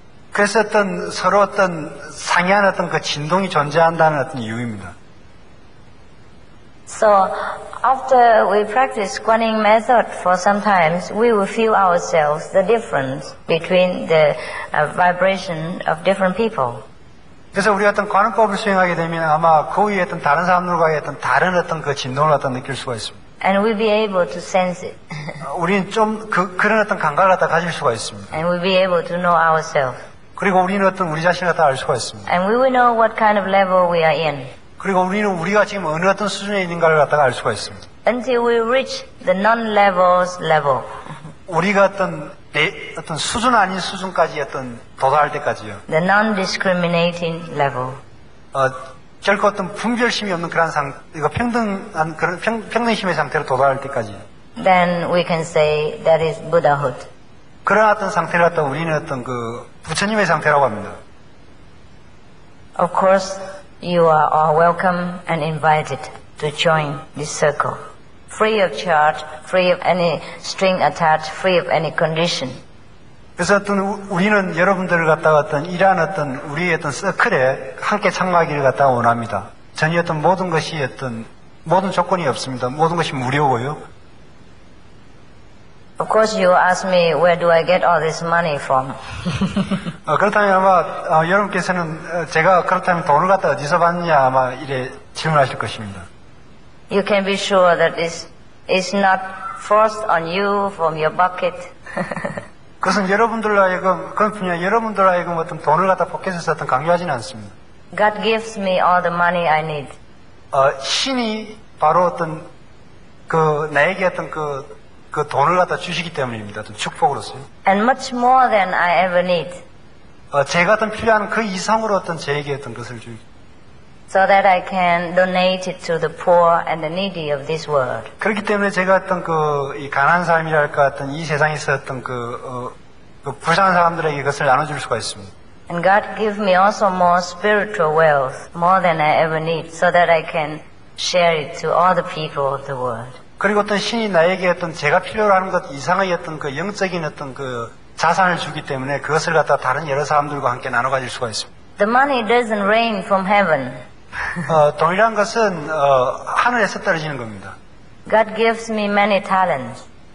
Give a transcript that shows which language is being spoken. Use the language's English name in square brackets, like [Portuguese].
[Korean] 그래서 어떤 서로 어떤 상이한 어떤 그 진동이 존재한다는 어떤 이유입니다. [English] So after we practice Guanyin method for some time, we will feel ourselves the difference between the vibration of different people. [Korean] 그래서 우리 어떤 관음법을 수행하게 되면 아마 그 위에 어떤 다른 사람들과의 어떤 다른 어떤 그 진동을 어떤 느낄 수가 있습니다. [English] And we'll be able to sense it. [Korean] 우리는 좀 그런 어떤 감각을 갖다 가질 수가 있습니다. [English] And we'll be able to know ourselves. [Korean] 그리고 우리는 어떤 우리 자신을 갖다 알 수가 있습니다. [English] And we will know what kind of level we are in. [Korean] 그리고 우리는 우리가 지금 어느 어떤 수준에 있는가를 갖다가 알 수가 있습니다. [English] Until we reach the non-levels level. [Korean] 우리가 어떤 수준 아닌 수준까지 어떤 도달할 때까지요. [English] The non-discriminating level. [Korean] 결코 어떤 분별심이 없는 그런 이거 평등한 그런 평등심의 상태로 도달할 때까지. [English] Then we can say that is Buddhahood. [Korean] 그런 어떤 상태를 갖다 우리는 어떤 그 부처님의 상태라고 합니다. [English] Of course, you are all welcome and invited to join this circle, free of charge, free of any string attached, free of any condition. [Korean] 그래서 어떤 우리는 여러분들을 갖다가 어떤 이러한 어떤 우리의 어떤 서클에 함께 참가하기를 갖다가 원합니다. 전혀 어떤 모든 것이 어떤 모든 조건이 없습니다. 모든 것이 무료고요. [English] Of course you ask me where do I get all this money from? [Korean] 그렇다면 아마 여러분께서는 제가 그렇다면 돈을 갖다 어디서 받느냐 아마 이래 질문하실 것입니다. [English] You can be sure that it's not forced on you from your pocket. [Korean] 그것은 여러분들 하여금 그건 분명히 여러분들 하여금 어떤 돈을 갖다 포켓에서 어떤 강요하지는 않습니다. [English] God gives me all the money I need. [Korean] 신이 바로 어떤 그 나에게 어떤 그 돈을 갖다 주시기 때문입니다. 어떤 축복으로서. [English] And much more than I ever need. [Korean] 제가 어떤 필요한 그 이상으로 어떤 제에게 어떤 것을 주. [English] So that I can donate it to the poor and the needy of this world. [Korean] 그렇기 때문에 제가 어떤 그 이 가난한 사람이랄까 어떤 이 세상에서 어떤 그, 그 불쌍한 사람들에게 그것을 나눠줄 수가 있습니다. [English] And God give me also more spiritual wealth, more than I ever need, so that I can share it to all the people of the world. [Korean] 그리고 어떤 신이 나에게 어떤 제가 필요로 하는 것 이상의 어떤 그 영적인 어떤 그 자산을 주기 때문에 그것을 갖다 다른 여러 사람들과 함께 나눠 가질 수가 있습니다. [English] The money doesn't rain from heaven. [Korean] 동일한 것은 하늘에서 떨어지는 겁니다. [English] God gives me many talents.